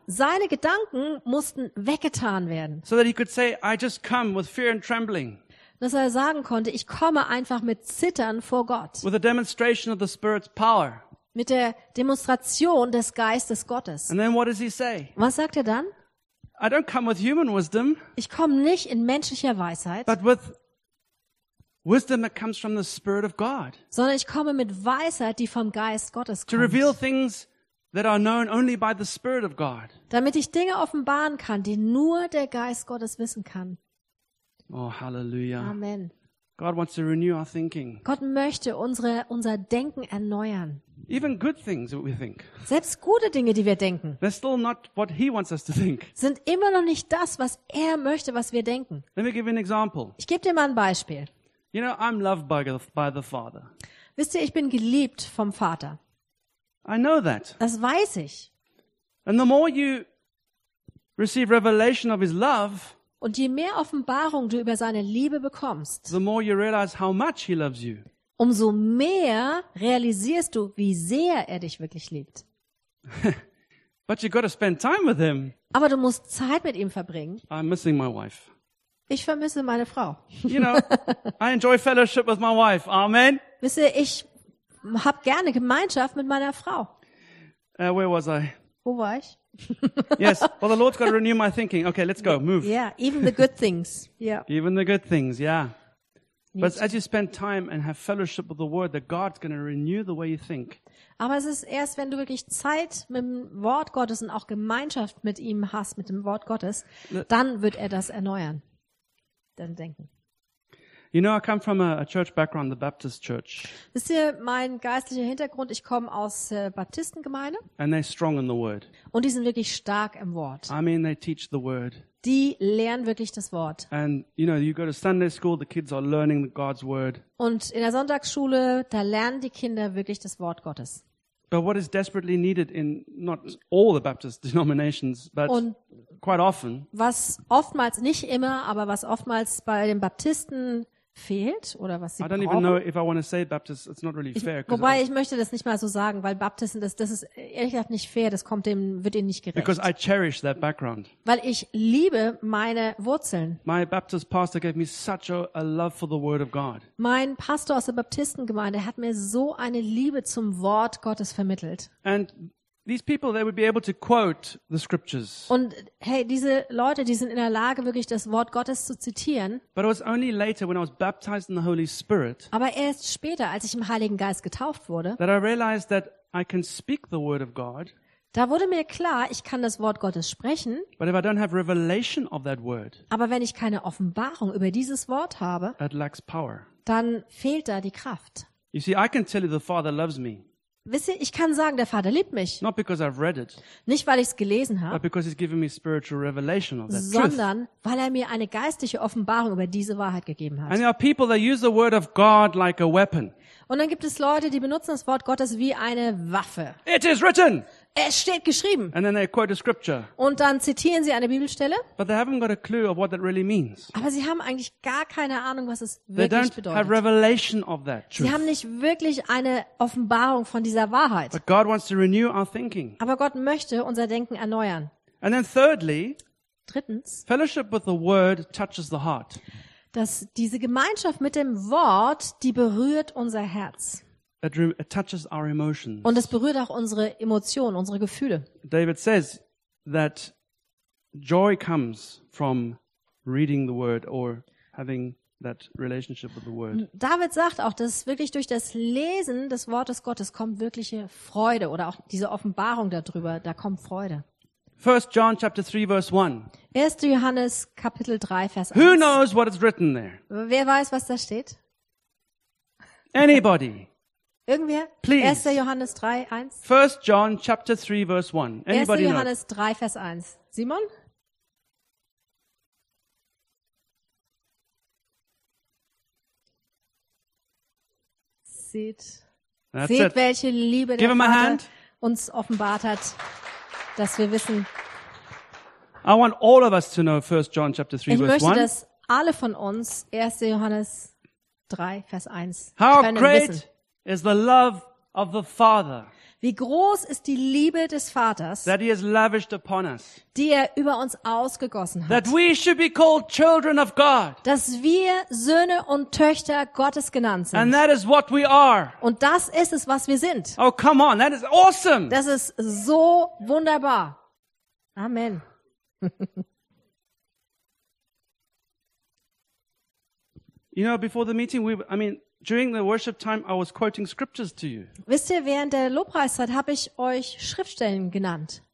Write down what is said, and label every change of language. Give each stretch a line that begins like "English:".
German: Seine Gedanken mussten weggetan werden.
English: So that he could say, I just come with fear and trembling.
German: Dass er sagen konnte, ich komme einfach mit Zittern vor Gott.
English: With a demonstration of the Spirit's power.
German: Mit der Demonstration des Geistes Gottes.
English: And then what does he say?
German: Was sagt er dann?
English: I don't come with human wisdom.
German: Ich komme nicht in menschlicher Weisheit.
English: But with wisdom that comes from the Spirit of God.
German: Sondern ich komme mit Weisheit, die vom Geist Gottes kommt.
English: To reveal things that are known only by the Spirit of God.
German: Damit ich Dinge offenbaren kann, die nur der Geist Gottes wissen kann.
English: Oh, hallelujah. Amen. God wants to renew our thinking.
German: Gott möchte unser Denken erneuern.
English: Even good things that we think.
German: Selbst gute Dinge, die wir denken.
English: They're still not what he wants us to think.
German: Sind immer noch nicht das, was er möchte, was wir denken.
English: Let me give you an example.
German: Ich gebe dir mal ein Beispiel.
English: You know, I'm loved by the Father.
German: Wisst ihr, ich bin geliebt vom Vater.
English: I know that.
German: Das weiß ich.
English: And the more you receive revelation of his love,
German: und je mehr Offenbarung du über seine Liebe bekommst,
English: the more you realize how much he loves you.
German: Umso mehr realisierst du, wie sehr er dich wirklich liebt.
English: But you got to spend time with him.
German: Aber du musst Zeit mit ihm verbringen.
English: I'm missing my wife.
German: Ich vermisse meine Frau.
English: You know, I enjoy fellowship with my wife. Amen.
German: Wisst ihr, ich hab gerne Gemeinschaft mit meiner Frau.
English: Where was I?
German: Wo war ich?
English: Yes, well, the Lord's got to renew my thinking. Okay, let's go, move. Yeah, even the good things. Yeah. Even the good things, yeah. But as you spend time and have fellowship with the Word, that God's going to renew the way you think.
German: Aber es ist erst, wenn du wirklich Zeit mit dem Wort Gottes und auch Gemeinschaft mit ihm hast, mit dem Wort Gottes, dann wird er das erneuern, dein Denken.
English: You know, I come from a church background, the Baptist Church.
German: Wisst ihr, mein geistlicher Hintergrund, ich komme aus Baptistengemeinde.
English: And they're strong in the Word.
German: Und die sind wirklich stark im Wort.
English: I mean, they teach the Word.
German: Die lernen wirklich das Wort.
English: And you know, you go to Sunday school, the kids are learning God's Word.
German: Und in der Sonntagsschule, da lernen die Kinder wirklich das Wort Gottes.
English: But what is desperately needed in not all the Baptist denominations, but
German: und
English: quite often.
German: Was oftmals, nicht immer, aber was oftmals bei den Baptisten fehlt oder was sie brauchen.
English: I don't even know if I want to say Baptist, it's not really fair.
German: Wobei ich möchte das nicht mal so sagen, weil Baptisten, das ist ehrlich gesagt nicht fair, das kommt dem, wird ihnen nicht gerecht.
English: Because I cherish that background.
German: Weil ich liebe meine Wurzeln.
English: My Baptist pastor gave me such a love for the Word of God.
German: Mein Pastor aus der Baptistengemeinde hat mir so eine Liebe zum Wort Gottes vermittelt.
English: And These people, they would be able to quote the scriptures.
German: Und hey, diese Leute, die sind in der Lage, wirklich das Wort Gottes zu zitieren.
English: But it was only later, when I was baptized in the Holy Spirit.
German: Aber erst später, als ich im Heiligen Geist getauft wurde,
English: that I realized that I can speak the word of God.
German: Da wurde mir klar, ich kann das Wort Gottes sprechen.
English: But if I don't have revelation of that word,
German: aber wenn ich keine Offenbarung über dieses Wort habe,
English: it lacks power.
German: Dann fehlt da die Kraft.
English: You see, I can tell you the Father loves me.
German: Wisst ihr, ich kann sagen, der Vater liebt mich.
English: Not because I've read it,
German: nicht, weil ich es gelesen habe,
English: but because he's given me spiritual revelation of that
German: sondern,
English: truth.
German: Weil er mir eine geistliche Offenbarung über diese Wahrheit gegeben hat.
English: And there are people that use the word of God like a weapon.
German: Und dann gibt es Leute, die benutzen das Wort Gottes wie eine Waffe.
English: It is written.
German: Es steht geschrieben.
English: And then they quote a scripture.
German: Und dann zitieren sie eine Bibelstelle.
English: But they haven't got a clue of what that really means.
German: Aber sie haben eigentlich gar keine Ahnung, was es wirklich
English: they don't
German: bedeutet.
English: Have revelation of that truth.
German: Sie haben nicht wirklich eine Offenbarung von dieser Wahrheit.
English: But God wants to renew our thinking.
German: Aber Gott möchte unser Denken erneuern.
English: And then thirdly,
German: drittens,
English: fellowship with the word touches the heart.
German: Dass diese Gemeinschaft mit dem Wort, die berührt unser Herz.
English: It touches our emotions.
German: Und es berührt auch unsere Emotionen, unsere Gefühle.
English: David says that joy comes from reading the word or having that relationship with the word.
German: David sagt auch, dass wirklich durch das Lesen des Wortes Gottes kommt wirkliche Freude oder auch diese Offenbarung darüber, da kommt Freude.
English: 1 John chapter 3 verse 1.
German: 1. Johannes Kapitel 3 Vers 1.
English: Who knows what is written there?
German: Wer weiß, was da steht?
English: Anybody?
German: Irgendwer?
English: Please.
German: 1. Johannes 3, 1.
English: 1. John chapter 3, verse 1. Anybody
German: 1. Johannes
English: know?
German: 3, Vers 1. Simon? Seht, welche Liebe
English: Give
German: der Vater
English: hand.
German: Uns offenbart hat, dass wir wissen.
English: I want all of us to know 1. John chapter 3,
German: ich
English: verse 1.
German: Ich möchte, dass alle von uns 1. Johannes 3, Vers 1
English: How
German: können
English: great.
German: Wissen.
English: Is the love of the Father.
German: Wie groß ist die Liebe des Vaters?
English: That he has lavished upon us.
German: Die er über uns ausgegossen hat.
English: That we should be called children of God.
German: Dass wir Söhne und Töchter Gottes genannt sind.
English: And that is what we are.
German: Und das ist es, was wir sind.
English: Oh come on, that is awesome.
German: Das ist so wunderbar. Amen.
English: You know, before the meeting during the worship time I was quoting scriptures to you.
German: Wisst ihr, während der Lobpreiszeit habe ich euch Schriftstellen genannt.